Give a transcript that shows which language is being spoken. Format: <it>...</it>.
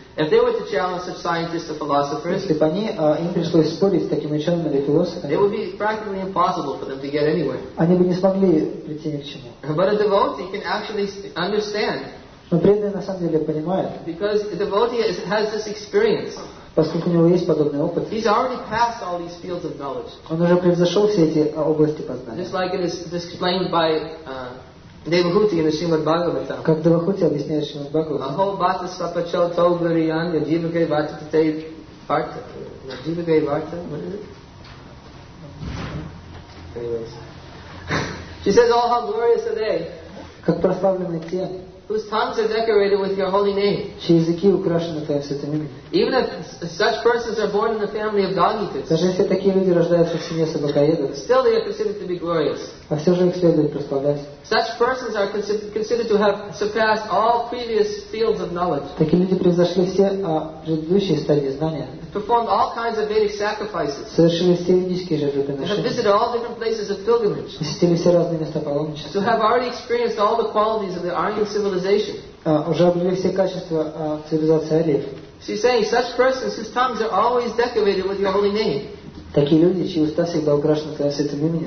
<en>If they were to challenge such scientists or philosophers,</en> <ru>если бы они им пришлось спорить с такими учеными или философами,</ru> <en>it would be practically impossible for them to get anywhere.</en> <ru>Они бы не смогли прийти ни к чему.</ru> <en>But a devotee can actually understand.</en> <ru>Но преданный на самом деле понимает.</ru> <en>Because the devotee has this experience.</en> <ru>Поскольку у него есть подобный опыт.</ru> <en>He's already passed all these fields of knowledge.</en> <ru>Он уже превзошел все эти области познания.</ru> <en>Just like it is explained by Devahuti in the Srimad Bhagavatam.</en> <ru>Как Девахути объясняет Шримад Бхагаватам.</ru> <sa>Ахо бата сапачо то гуриян ядивагай вата тате парта. Ядивагай вата?</sa> <en>What is it? Anyways. She says, oh, how glorious are they.</en> <ru>Как прославлены те.</ru> <en>Whose tongues are decorated with your holy name.</en> <ru>Чьи языки украшены твоим святым именем.</ru> <en>Even if such persons are born in the family of Dagitas.</en> <ru>Даже если такие люди рождаются в семье собакоедов.</ru> <en>Still they are considered to be glorious.</en> <ru>А все же их следует прославлять.</ru> <en>Such persons are considered to have surpassed all previous fields of knowledge.</en> <ru>Такие люди превзошли все предыдущие стадии знания.</ru> <en>Performed all kinds of Vedic sacrifices.</en> <ru>Совершили все ведические жертвоприношения.</ru> <en>Have visited all different places of pilgrimage.</en> <ru>Посетили все разные места паломничества.</ru> <en>So have already experienced all the qualities of the Aryan civilization.</en> <ru>Уже обрели все качества цивилизации Ариев.</ru> <en>She's saying such persons whose tongues are always decorated with your holy name.</en> <ru>Такие люди, чьи уста всегда украшены твоим святым именем.</ru>